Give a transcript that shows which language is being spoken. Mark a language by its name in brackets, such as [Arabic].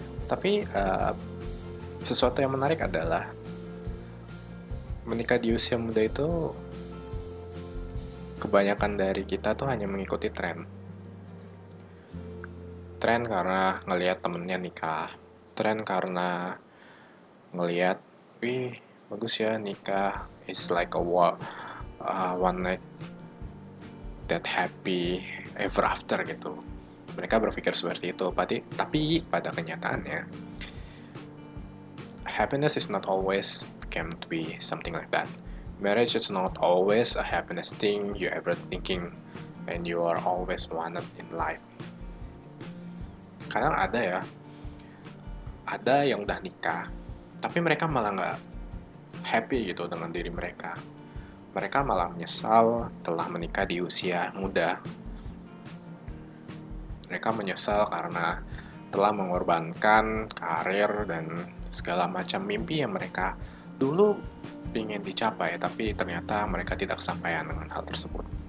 [Indonesian] Tapi sesuatu yang menarik adalah menikah di usia muda itu kebanyakan dari kita tuh hanya mengikuti tren. Tren karena ngelihat temennya nikah. Tren karena ngelihat, wih bagus ya nikah. [English] It's like a one night that happy ever after gitu. [Indonesian] Mereka berpikir seperti itu, tapi pada kenyataannya [English] happiness is not always came to be something like that. Marriage is not always a happiness thing you ever thinking and you are always wanted in life. [Indonesian] Kadang ada ya, ada yang udah nikah, tapi mereka malah nggak happy gitu dengan diri mereka. Mereka malah menyesal telah menikah di usia muda. Mereka menyesal karena telah mengorbankan karir dan segala macam mimpi yang mereka dulu ingin dicapai, tapi ternyata mereka tidak kesampaian dengan hal tersebut.